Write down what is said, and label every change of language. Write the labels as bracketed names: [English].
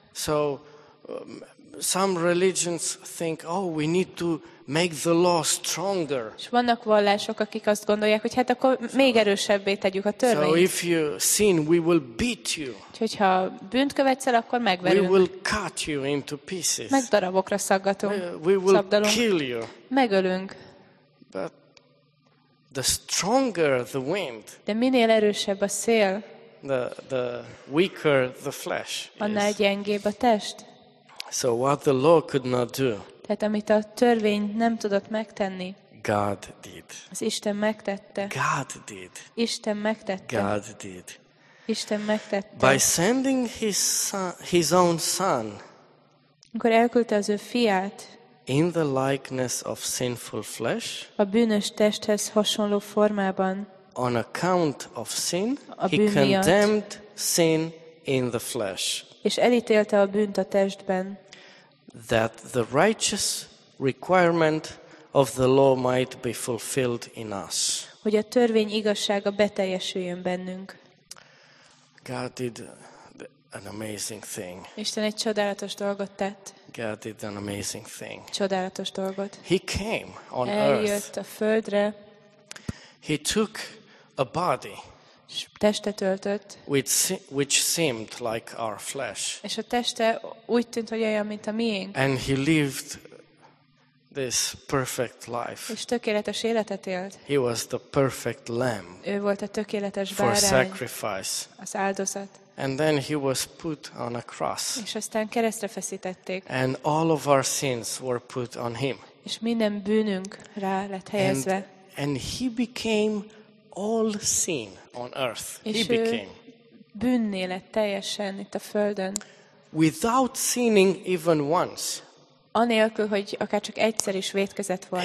[English] So some religions think, oh, we need to make the law stronger. [Hungarian] És vannak vallások, akik azt gondolják, hogy hát akkor még erősebbé tegyük a törvényt. [English] So if you sin, we will beat you. [Hungarian] Hogyha bűnt követsz el, akkor megverünk. [English] We will cut you into pieces. [Hungarian] Megdarabokra szaggatunk. [English] We will kill you. [Hungarian] Megölünk. [English] But the stronger the wind. [Hungarian] De minél erősebb a szél. [English] The weaker the flesh. [Hungarian] Annál gyengébb a test. [English] So what the law could not do. [Hungarian] Tehát amit a törvény nem tudott megtenni. [English] God did. [Hungarian] Az Isten megtette. [English] God did. [Hungarian] Isten megtette. [English] God did. [Hungarian] Isten megtette. [English] By sending his own son. [Hungarian] Amikor elküldte az ő fiát. [English] In the likeness of sinful flesh. [Hungarian] A bűnös testhez hasonló formában. [English] On account of sin, a he condemned sin in the flesh. [Hungarian] És elítélte a bűnt a testben. [English] That the righteous requirement of the law might be fulfilled in us. [Hungarian] Hogy a törvény igazsága beteljesüljön bennünk. [English] God did an amazing thing. [Hungarian] Isten egy csodálatos dolgot tett. [English] God did an amazing thing. [Hungarian] Csodálatos dolgot. [English] He came on [Hungarian] earth. Eljött a földre. [English] He took a body, [Hungarian] testet öltött, [English] which seemed like our flesh. [Hungarian] És a teste úgy tűnt, hogy olyan, mint a miénk. [English] And he lived this perfect life. [Hungarian] És tökéletes életet élt. [English] He was the perfect lamb. [Hungarian] Ő volt a tökéletes [English] bárány. For sacrifice. [Hungarian] Az áldozat. [English] And then he was put on a cross. [Hungarian] És aztán keresztre feszítették. [English] And all of our sins were put on him. [Hungarian] És minden bűnünk rá lett helyezve. [English] And he became all sin on earth. He became [Hungarian] bűnné lett teljesen itt a földön. [English] Without sinning even once. [Hungarian] Anélkül, hogy akár csak egyszer is vétkezett volna.